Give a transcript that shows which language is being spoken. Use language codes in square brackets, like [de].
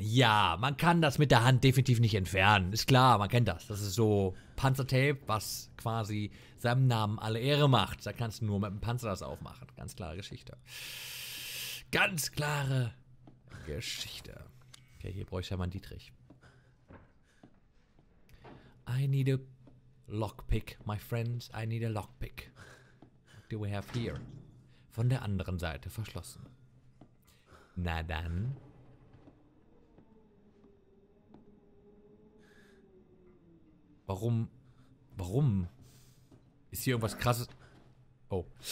[de] Ja, man kann das mit der Hand definitiv nicht entfernen. Ist klar, man kennt das. Das ist so Panzertape, was quasi seinem Namen alle Ehre macht. Da kannst du nur mit dem Panzer das aufmachen. Ganz klare Geschichte. Ganz klare Geschichte. Okay, hier bräuchte ich ja mal einen Dietrich. [en] I need a lockpick, my friends. I need a lockpick. What do we have here? [de] Von der anderen Seite verschlossen. Na dann. Warum? Ist hier irgendwas Krasses? Oh.